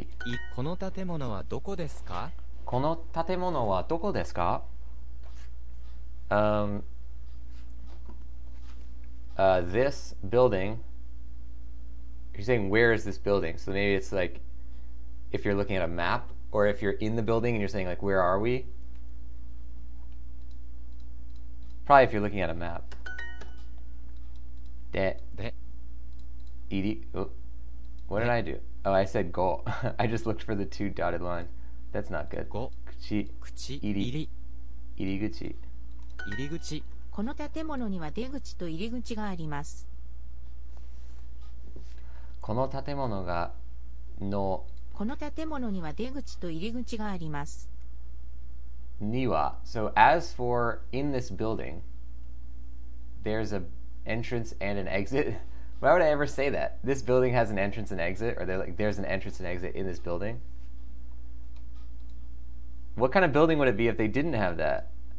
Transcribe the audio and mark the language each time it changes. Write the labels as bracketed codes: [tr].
[ja] い, この建物はどこですか? この建物はどこですか? [en] this building, you're saying where is this building? So maybe it's like if you're looking at a map, or if you're in the building and you're saying like where are we? Probably if you're looking at a map. [ja] De. [en] Iri. What did I do? Oh, I said go. I just looked for the two dotted lines. That's not good. Go. [ja] Kuchi. Iri. Iriguchi. Iriguchi. この建物には出口と入り口があります。この建物がの。この建物には出口と入り口があります。 [en] には、so as for in this building, there's an entrance and an exit. Why would I ever say that? This building has an entrance and exit, or they're like, there's an entrance and exit in this building. What kind of building would it be if they didn't have that?